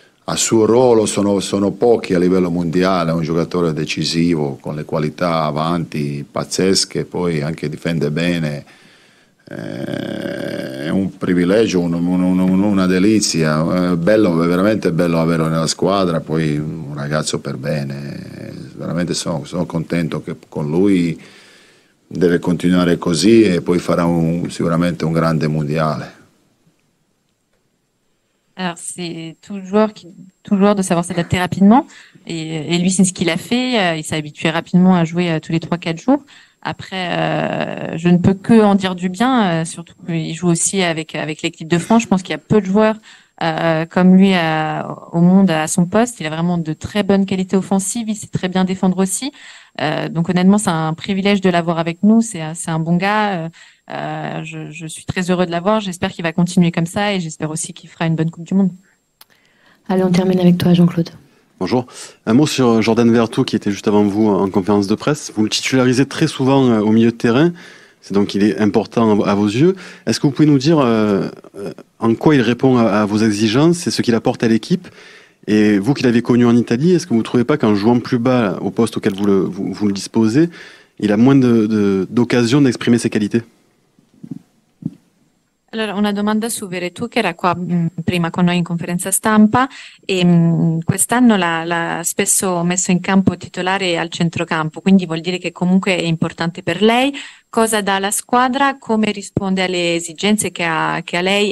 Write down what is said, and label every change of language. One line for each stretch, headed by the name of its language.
Italian: a suo ruolo sono pochi a livello mondiale, è un giocatore decisivo, con le qualità avanti pazzesche, poi anche difende bene, è un privilegio, una delizia, bello, veramente bello averlo nella squadra, poi un ragazzo per bene, veramente sono contento che con lui deve continuare così e poi farà sicuramente un grande mondiale.
French: Alors, c'est tout joueur de savoir s'adapter rapidement. Et lui, c'est ce qu'il a fait. Il s'est habitué rapidement à jouer tous les 3-4 jours. Après, je ne peux que en dire du bien, surtout qu'il joue aussi avec l'équipe de France. Je pense qu'il y a peu de joueurs comme lui au monde à son poste. Il a vraiment de très bonnes qualités offensives. Il sait très bien défendre aussi. Donc, honnêtement, c'est un privilège de l'avoir avec nous. C'est un bon gars. Je suis très heureux de l'avoir. J'espère qu'il va continuer comme ça et j'espère aussi qu'il fera une bonne Coupe du Monde. Allez, on termine avec toi, Jean-Claude. Bonjour. Un mot sur Jordan Veretout qui était juste avant vous en conférence de presse. Vous le titularisez très souvent au milieu de terrain. C'est donc il est important à vos yeux. Est-ce que vous pouvez nous dire en quoi il répond à vos exigences et ce qu'il apporte à l'équipe ? Et vous qui l'avez connu en Italie, est-ce que vous ne trouvez pas qu'en jouant plus bas au poste auquel vous le disposez, il a moins d'occasions d'exprimer ses qualités ?
Italian: Allora, una domanda su Veretout che era qua prima con noi in conferenza stampa e quest'anno l'ha spesso messo in campo titolare al centrocampo, quindi vuol dire che comunque è importante per lei. Cosa dà la squadra? Come risponde alle esigenze che ha lei?